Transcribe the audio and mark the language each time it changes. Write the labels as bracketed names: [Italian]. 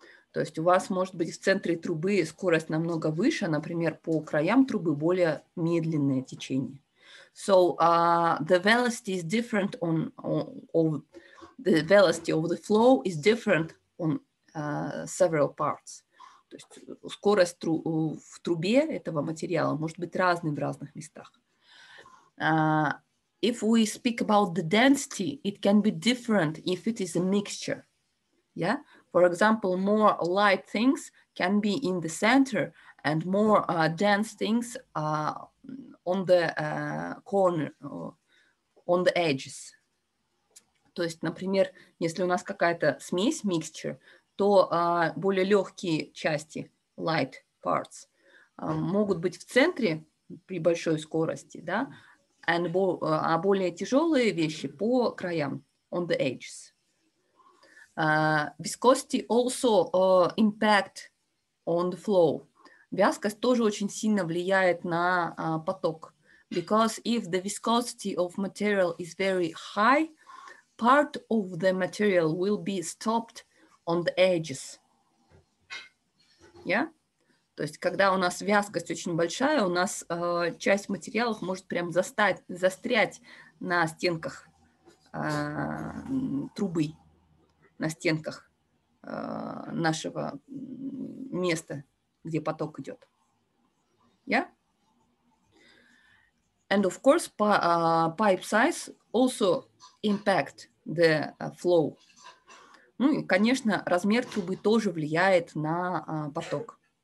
[Russian] То есть у вас может быть в центре трубы скорость намного выше, например, по краям трубы более медленное течение. [English] So the velocity is different on, on the velocity of the flow is different on several parts. [Russian] То есть скорость в трубе этого материала может быть разной в разных местах. [English] If we speak about the density, it can be different if it is a mixture. Yeah? For example, more light things can be in the center and more dense things on the corner, on the edges. [Russian] То есть, например, если у нас какая-то смесь, mixture, то более легкие части, [English] light parts, [Russian] могут быть в центре при большой скорости, да? [English] And [Russian] а более тяжелые вещи по краям, [English] on the edges. Viscosity also impact on the flow. [Russian] Вязкость тоже очень сильно влияет на поток. [English] Because if the viscosity of material is very high, part of the material will be stopped on the edges. Yeah? [Russian] То есть, когда у нас вязкость очень большая, у нас часть материалов может прям застрять на стенках трубы, на стенках нашего место, где поток идет. Yeah? [English] And of course, pipe size also impact the flow. [Russian] Ну и, конечно, размер трубы тоже влияет на поток.